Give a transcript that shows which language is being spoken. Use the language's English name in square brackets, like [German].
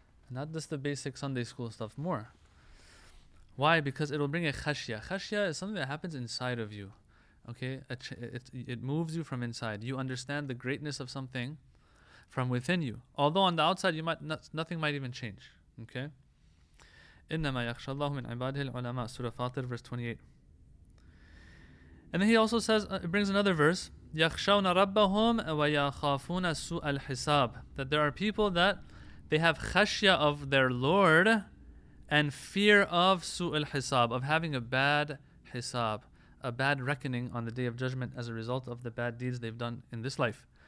[English] Not just the basic Sunday school stuff, more. Why? Because it'll bring a khashya. Khashya is something that happens inside of you. Okay? It moves you from inside. You understand the greatness of something from within you. Although on the outside, nothing might even change. Okay? [Arabic] إِنَّمَا يَخْشَى اللَّهُ مِنْ عِبَادِهِ الْعُلَمَاءِ [English] Surah Fatir, verse 28. And then he also says, it brings another verse, [Arabic] يَخْشَوْنَ رَبَّهُمْ وَيَخَافُونَ سُوءَ الْحِسَابِ, [English] that there are people that they have khashya of their Lord and fear of su'al hisab, of having a bad hisab, a bad reckoning on the Day of Judgment as a result of the bad deeds they've done in this life.